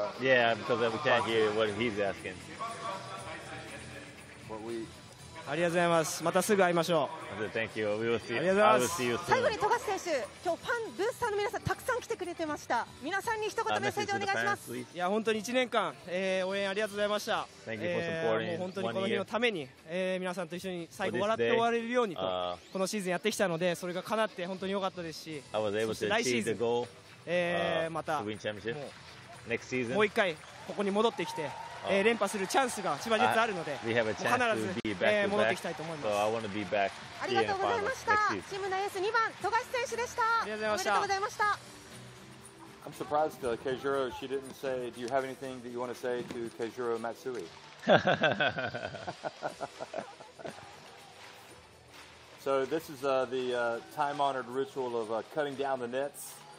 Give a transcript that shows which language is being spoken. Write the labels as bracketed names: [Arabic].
[English] yeah, because we can't hear what he's asking. But we... [Japanese] ありがとうございます。またすぐ会いましょう。 [English] Thank you. We will see. [Japanese] ありがとうございます。最後に富樫選手、今日ファン、ブースターの皆さんたくさん来てくれてました。皆さんに一言メッセージお願いします。いや本当に1年間、応援ありがとうございました。 [English] Thank you for supporting. [Japanese] 本当にこの日のために、皆さんと一緒に最後笑って終われるようにと、このシーズンやってきたので、それが叶って本当に良かったですし、そして来シーズン、またもう、 [English] Next season. [Japanese] もう一回ここに戻ってきて、連覇するチャンスが千葉ジェッツあるので必ず戻ってきたいと思います。 [English] So I want to be back. [Japanese] ありがとうございました。チームのエース2番富樫選手でした。ありがとうございました。 [English] I'm surprised that Keijiro she didn't say do you have anything that you want to say to Keijiro Matsui? So this is the time-honored ritual of cutting down the nets.